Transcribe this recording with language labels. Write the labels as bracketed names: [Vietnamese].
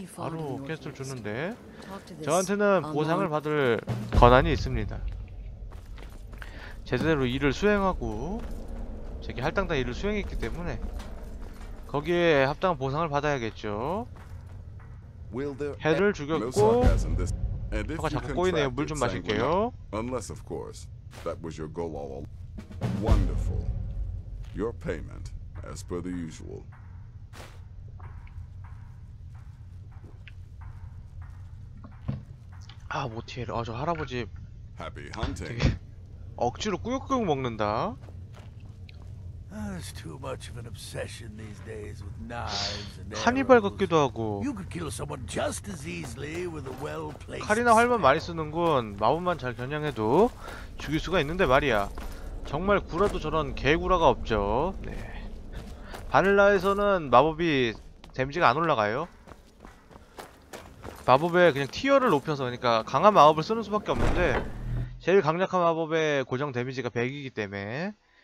[Korean] 바로 퀘스트를 주는데 저한테는 보상을 받을 권한이 있습니다. 제대로 일을 수행하고 제게 할당당 일을 수행했기 때문에 거기에 합당한 보상을 받아야겠죠. 해를 죽였고 혀가 자꾸 꼬이네요. 물 좀 마실게요. [English] Unless of course that was your goal all along. Wonderful. Your payment as per the usual. [Korean] 아 모티엘. 아 저 할아버지 [English] Happy hunting. [Korean] 억지로 꾸역꾸역 먹는다. [English] There's too much of an obsession these days with knives and arrows. [Korean] 카니발 같기도 하고. [English] You could kill someone just as easily with a well-placed. [Korean] 칼이나 활만 많이 쓰는군. 마음만 잘 겨냥해도 죽일 수가 있는데 말이야. 정말 구라도 저런 개구라가 없죠. 네. 바늘라에서는 마법이 데미지가 안 올라가요. 마법에 그냥 티어를 높여서 그러니까 강한 마법을 쓰는 수밖에 없는데 제일 강력한 마법의 고정 데미지가 100이기 때문에.